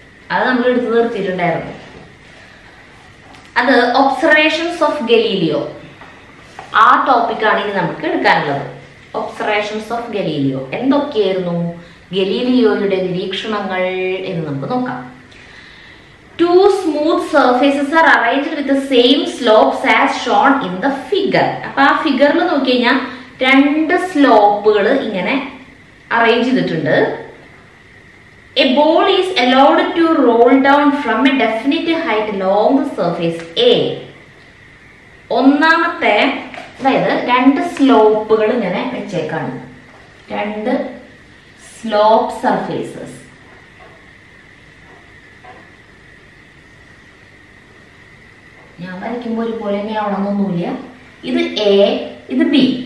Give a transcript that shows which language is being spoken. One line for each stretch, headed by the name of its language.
Malayalam: അത് നമ്മൾ എടുത്തു തീർത്തിട്ടുണ്ടായിരുന്നു. അത് ഒബ്സർവേഷൻസ് ഓഫ് ഗലീലിയോ. ആ ടോപ്പിക്കാണ് ഇനി നമുക്ക് എടുക്കാനുള്ളത്. ഒബ്സർവേഷൻസ് ഓഫ് ഗലീലിയോ എന്തൊക്കെയായിരുന്നു ഗലീലിയോയുടെ നിരീക്ഷണങ്ങൾ എന്ന് നമുക്ക് നോക്കാം.
English: Two smooth surfaces are arranged with the same slopes as shown in the figure.
Malayalam: അപ്പോൾ ആ ഫിഗറിൽ നോക്കി കഴിഞ്ഞാൽ രണ്ട് സ്ലോപ്പുകൾ ഇങ്ങനെ അറേഞ്ച് ചെയ്തിട്ടുണ്ട്.
English: A ball is allowed to roll down from a definite height along the surface A.
Malayalam: ഒന്നാമത്തെ, അതായത് രണ്ട് സ്ലോപ്പുകൾ ഇങ്ങനെ വെച്ചേക്കാണ്, രണ്ട് സ്ലോപ്പ് സർഫേസസ്. ഞാൻ വരയ്ക്കുമ്പോ ഒരുപോലെ തന്നെ ആവണമെന്നൊന്നുമില്ല. ഇത് എ, ഇത് ബി.